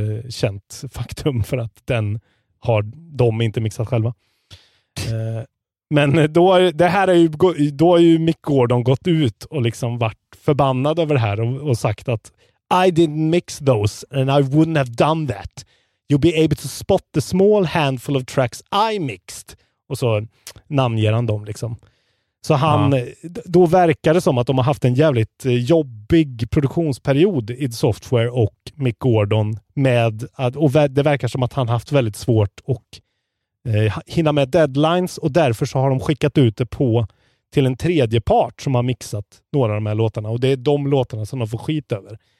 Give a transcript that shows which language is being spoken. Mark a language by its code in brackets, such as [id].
[sv] Känt faktum för att den har de inte mixat själva. Men då har ju Mick Gordon gått ut och liksom varit förbannad över det här och sagt att [en] I didn't mix those and I wouldn't have done that. You'll be able to spot the small handful of tracks I mixed. [sv] Och så namnger han dem liksom. Så han, då verkar det som att de har haft en jävligt jobbig produktionsperiod i Software och Mick Gordon med att, och det verkar som att han haft väldigt svårt och hinna med deadlines och därför så har de skickat ut det på till en tredje part som har mixat några av de här låtarna och det är de låtarna som de får skit över.